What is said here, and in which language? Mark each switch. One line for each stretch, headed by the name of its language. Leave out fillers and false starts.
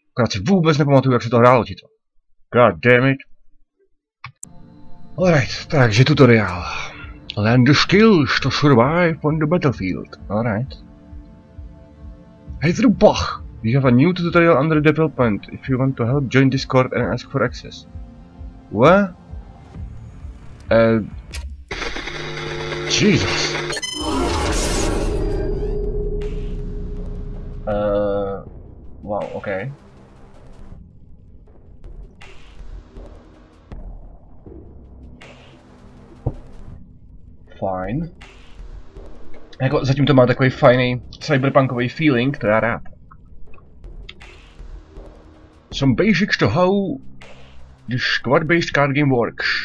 Czech: Akorát si vůbec nepamatuju, jak se to hrálo ti to.
English: God damn it. Alright,
Czech: takže tutoriál.
English: Learn the skills to survive on the battlefield. Alright. Hey through Bach. We have a new tutorial under development. If you want to help, join Discord and ask for access. What? Jesus. Wow, ok.
Czech: Fajn. Jako zatím to má takový fajný cyberpunkový feeling, to já rád.
English: Some basics to how the squad based card game works.